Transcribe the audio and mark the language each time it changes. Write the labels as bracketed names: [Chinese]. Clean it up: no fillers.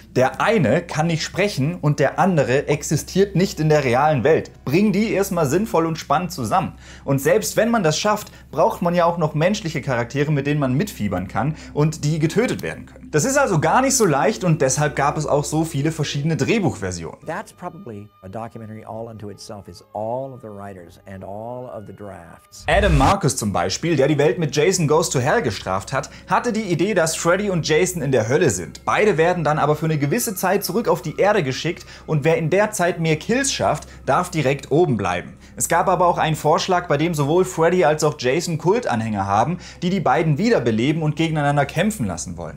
[German] Der eine kann nicht sprechen und der andere existiert nicht in der realen Welt. Bring die erstmal sinnvoll und spannend zusammen. Und selbst wenn man das schafft, braucht man ja auch noch menschliche Charaktere, mit denen man mitfiebern kann und die getötet werden können. Das ist also gar nicht so leicht und deshalb gab es auch so viele verschiedene Drehbuchversionen. [English] That's probably a documentary all unto itself is all of the writers and all of the drafts. [German] Adam Marcus zum Beispiel, der die Welt mit Jason Goes to Hell gestraft hat, hatte die Idee, dass Freddy und Jason in der Hölle sind. Beide werden dann aber für eine gewisse Zeit zurück auf die Erde geschickt und wer in der Zeit mehr Kills schafft, darf direkt oben bleiben. Es gab aber auch einen Vorschlag, bei dem sowohl Freddy als auch Jason Kultanhänger haben, die die beiden wiederbeleben und gegeneinander kämpfen lassen wollen.